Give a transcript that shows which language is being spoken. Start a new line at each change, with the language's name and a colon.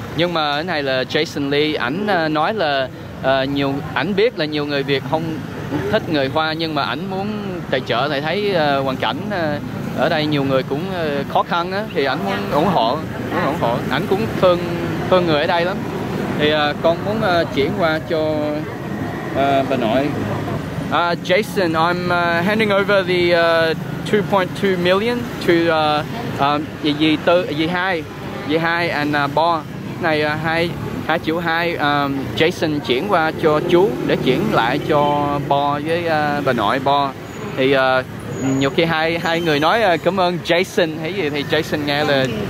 Vietnamese: Nhưng mà cái này là Jason Lee, ảnh nói là nhiều, ảnh biết là nhiều người Việt không thích người Hoa, nhưng mà ảnh muốn tài trợ, lại thấy hoàn cảnh ở đây nhiều người cũng khó khăn á, thì ảnh muốn ủng hộ, muốn ủng hộ. Ảnh cũng thương người ở đây lắm. Thì con muốn chuyển qua cho bà nội.
English: Jason, I'm handing over the 2.2 million to dì hai and Bo.
Vietnamese: Này hai triệu hai, Jason chuyển qua cho chú để chuyển lại cho Bo với bà nội Bo. Thì nhiều khi hai người nói cảm ơn Jason hay gì thì Jason nghe là